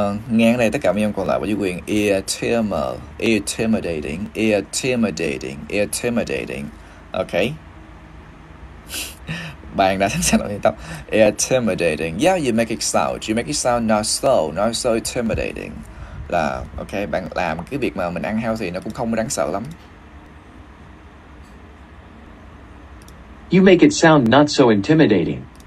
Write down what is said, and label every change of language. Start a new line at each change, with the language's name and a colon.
Vietnamese: Nghe cái này tất cả mấy em còn lại với chữ quyền intimidating, intimidating, intimidating. Okay. Bạn đã sẵn sàng tập intimidating.
English: Yeah, you make it sound not so intimidating.
Vietnamese: Là okay, bạn làm cái việc mà mình ăn heo thì nó cũng không đáng sợ lắm.
English: You make it sound not so intimidating.